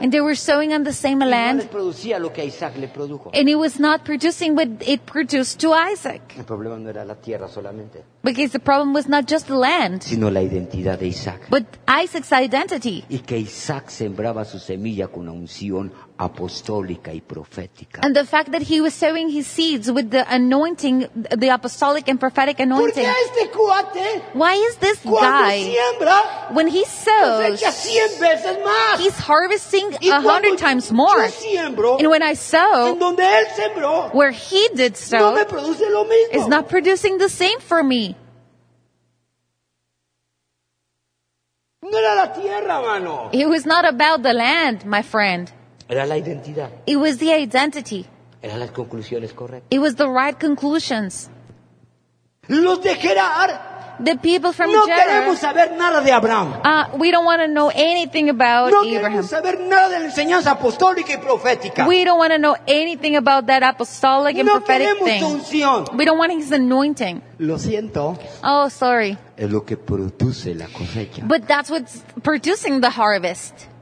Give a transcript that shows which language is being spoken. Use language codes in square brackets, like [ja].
[en] and they were sowing on the same land [es] y no les producía lo que Isaac le produjo. [en] And it was not producing what it produced to Isaac. [es] El problema no era la tierra solamente. [en] Because the problem was not just the land, [es] sino la identidad de Isaac. [en] But Isaac's identity. [es] Y que Isaac sembraba su semilla con la unción apostólica y profética. [en] And the fact that he was sowing his seeds with the anointing, the apostolic and prophetic anointing. [es] ¿Por qué este cuate? [en] Why is this [es] cuando [en] guy [es] siembra, [en] when he sows [es] cosecha 100 veces más. [en] He's harvesting 100 times more. [es] Yo siembro, [en] and when I sow [es] en donde él sembró, [en] where he did sow, [es] no me produce lo mismo. [en] It's not producing the same for me. [es] No era la tierra, mano. [en] It was not about the land, my friend. [es] Era la identidad. [en] It was the identity. [es] Era las conclusiones correctas. [en] It was the right conclusions. [es] Los de Gerar. [en] The people from [es] no [en] Gerar. [es] No queremos saber nada de Abraham. [en] We don't want to know anything about [es] no [en] Abraham. [es] No queremos saber nada de la enseñanza apostólica y profética. [en] We don't want to know anything about that apostolic and [es] no [en] prophetic thing. [es] No queremos unción. [en] We don't want his anointing. [es] Lo siento. [en] Oh, sorry. [es] Es lo que produce la cosecha. [en] But that's what's producing the harvest.